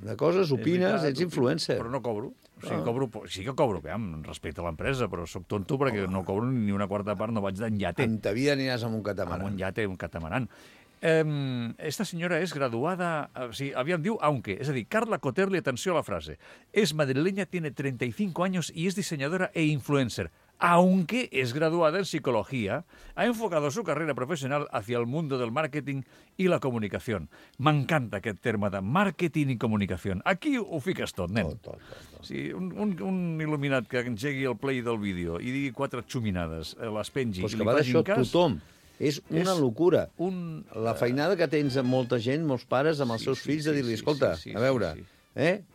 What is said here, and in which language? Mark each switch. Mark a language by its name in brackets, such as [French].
[Catalan] De coses, opines, ets influencer. Però no cobro. O sigui, cobro, sí que cobro, bé, respecte a l'empresa, però sóc tonto perquè no cobro ni una quarta part, no vaig d'en yate. En ta vida aniràs amb un catamarà. Amb un yate, un catamarà. Esta senyora és graduada... O sigui, aviam, diu, aunque. És a dir, Carla Coterli, atenció a la frase. [Spanish] És madrileña, tiene 35 años y es diseñadora e influencer. Aunque es graduada en psicología, ha enfocado su carrera profesional hacia el mundo del marketing y la comunicación. [Catalan] M'encanta aquest terme de marketing i comunicación. Aquí ho fiques tot, nen. Tot. Sí, un il·luminat que engegui el play del vídeo i digui quatre xuminades, les pengi pues i li va facin cas... Tothom. És una locura. La feinada que tens amb molta gent, molts pares, amb els seus fills, sí, de dir-li, escolta, sí, a veure, eh?